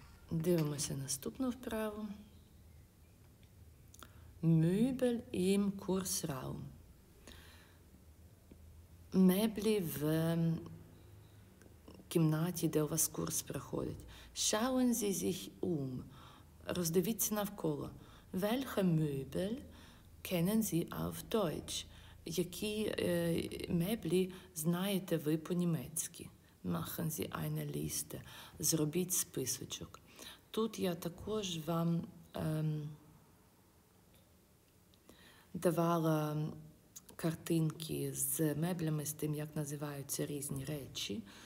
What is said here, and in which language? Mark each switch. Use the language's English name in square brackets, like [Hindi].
[Ukrainian] Дивимося наступну вправу. [German] Möbel im Kursraum. [Ukrainian] Меблі в кімнаті, де у вас курс проходить. [German] Schauen Sie sich um. [Ukrainian] Роздивіться навколо. [German] Welche Möbel kennen Sie auf Deutsch? [Ukrainian] Які меблі знаєте ви по-німецьки? [German] Machen Sie eine Liste. [Ukrainian] Зробіть списочок. Тут я також вам давала картинки з меблями, з тим, як називаються різні речі.